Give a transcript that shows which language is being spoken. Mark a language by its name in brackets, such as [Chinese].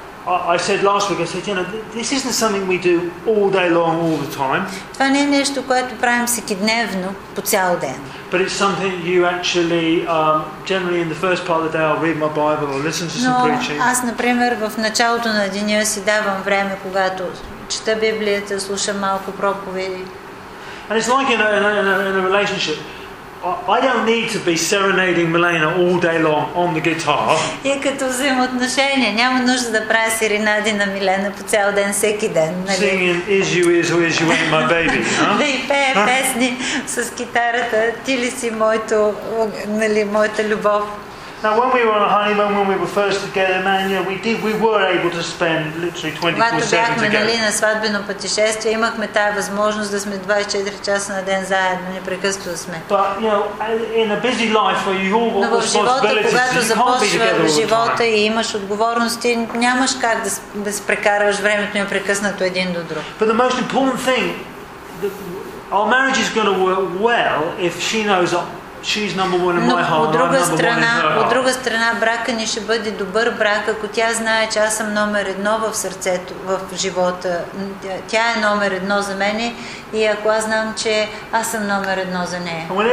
[English] I said last week, you know, this isn't something we do all day long, all the time. [Bulgarian] Това не е нещо, което правим всеки дневно, по цял ден. [English] But it's something you actually, generally in the first part of the day, I'll read my Bible or listen to some preaching. [Bulgarian] Но аз, например, в началото на деня си давам време, когато чета Библията, слушам малко проповеди. [English] And it's like in a relationship. I don't need to be serenading Milena all day long on the guitar. [Bulgarian] И като взаимоотношения, няма нужда да правя серенади на Милена по цял ден, всеки ден. [English] Singing is you is or is you ain't my baby. [Bulgarian] Да и пее песни с китарата, ти ли си моето, нали, моята любов. [English] Now when we were on a honeymoon, when we were first together, man, you know, we were able to spend literally 24/7 together. [Bulgarian] Когато бяхме, нали, на сватбено пътешествие, имахме тая възможност да сме 24 часа на ден заедно, непрекъснато да сме. [English] But you know, in a busy life where you all have responsibilities, you can't be together all the time. [Bulgarian] В живота и имаш отговорности, нямаш как да се прекараш времето непрекъснато един до друг. [English] But the most important thing, our marriage is going to work well if she knows that. She's number one in my heart. [Bulgarian] От друга страна, брака ни ще бъде добър брак, ако тя знае, че аз съм номер едно в сърцето, в живота. Тя е номер едно за мен и ако аз знам, че аз съм номер едно за нея.